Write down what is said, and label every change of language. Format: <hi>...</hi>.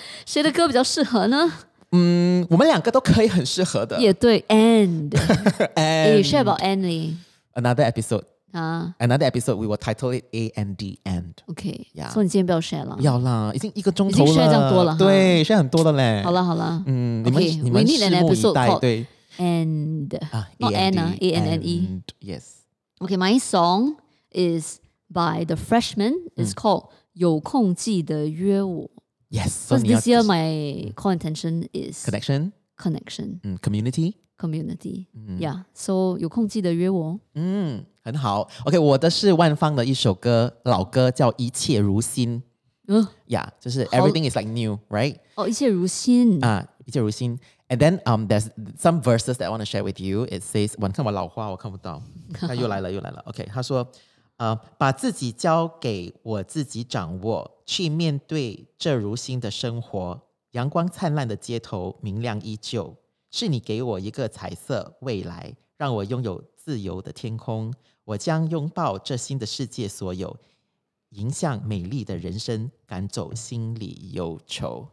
<zh>好啦，所以我们要点歌了。哇，新年第一首歌你要点什么？我的歌太适合了。我的歌也是很适合。谁的歌比较适合呢？我们两个都可以很适合的。也对, and,</zh> <en>and hey, share about and. Another episode. Another episode, we will title it A and D End. Okay. Yeah.</en> <zh>所以你今天不要share了。要啦，已经一个钟头了。已经share这样多了。对，share很多了咧。好了好了。</zh> <en>Okay, we need an episode called And. Not A-N-D, A-N-N-E. And, yes. Okay, my song is by The Freshman. It's called 有空记得约我。 Yes. Because this year, my core intention is... Connection. Connection. Community. Community. Yeah. So, 有空记得约我。</en> <zh>很好 OK 我的是万芳的一首歌 老歌叫一切如新 Yeah 就是</zh> <en>Everything is like new</en> <zh>Right 哦一切如新</zh> <en>And then there's some verses that I want to share with you. It says</en> <zh>我看我老花我看不到又来了 OK 他说 把自己交给我自己掌握 去面对这如新的生活阳光灿烂的街头明亮依旧是你给我一个彩色未来，让我拥有自由的天空，我将拥抱这新的世界所有，迎向美丽的人生，赶走心里忧愁。</zh>